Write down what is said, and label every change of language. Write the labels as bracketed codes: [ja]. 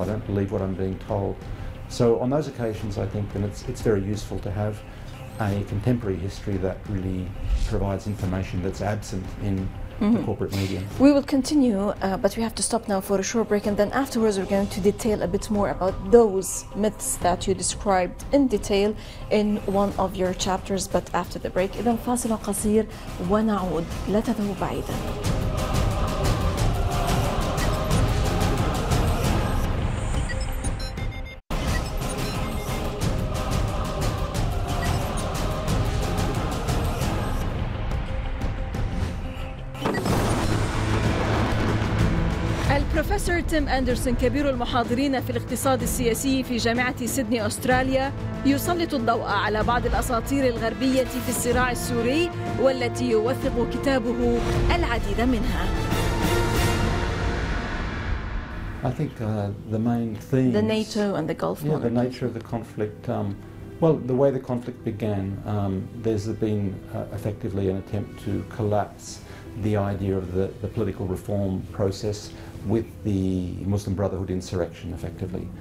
[en] I don't believe what I'm being told. So on those occasions, I think then it's very useful to have a contemporary history that really provides information that's absent in the corporate media. We will continue, but we have to stop now for a short break, and then afterwards we're going to detail a bit more about those myths that you described in detail in one of your chapters, but after the break. [ar] إذن فاصل قصير ونعود لا تذهبوا بعيدا. البروفيسور تيم اندرسون كبير المحاضرين في الاقتصاد السياسي في جامعة سيدني أستراليا يسلط الضوء على بعض الأساطير الغربية في الصراع السوري والتي يوثق كتابه العديد منها. [en] I think the main theme, the NATO and the Gulf War. Yeah, the nature of the conflict. Well, the way the conflict began, there's been effectively an attempt to collapse the idea of the political reform process with the Muslim Brotherhood insurrection, effectively.